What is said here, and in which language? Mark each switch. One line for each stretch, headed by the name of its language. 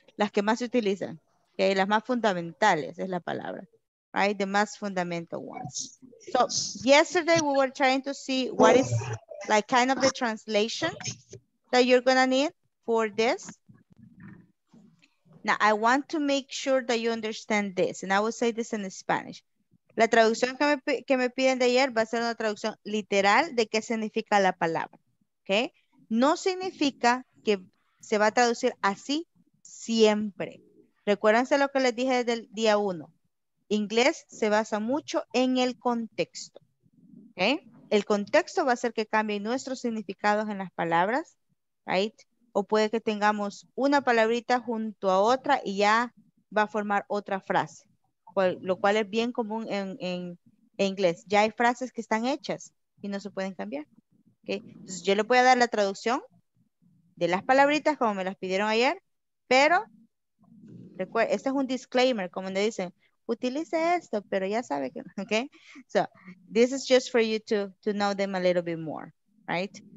Spanish: Las que más se utilizan. Okay. Las más fundamentales es la palabra. Right?
English: The most fundamental ones. So yesterday we were trying to see what is like kind of the translation that you're going to need for this. Now I want to make sure that you understand this. And I will say this in Spanish.
Spanish: La traducción que me piden de ayer va a ser una traducción literal de qué significa la palabra, ¿ok? No significa que se va a traducir así siempre. Recuérdense lo que les dije desde el día uno. Inglés se basa mucho en el contexto, ¿ok? El contexto va a hacer que cambien nuestros significados en las palabras, ¿right? O puede que tengamos una palabrita junto a otra y ya va a formar otra frase. Lo cual es bien común en inglés. Ya hay frases que están hechas y no se pueden cambiar. ¿Okay? Entonces yo le voy a dar la traducción de las palabritas como me las pidieron ayer, pero recuerde, este es un disclaimer, como le dicen, utilice esto, pero ya sabe que no.
English: ¿Okay? So, this is just for you to know them a little bit more, right?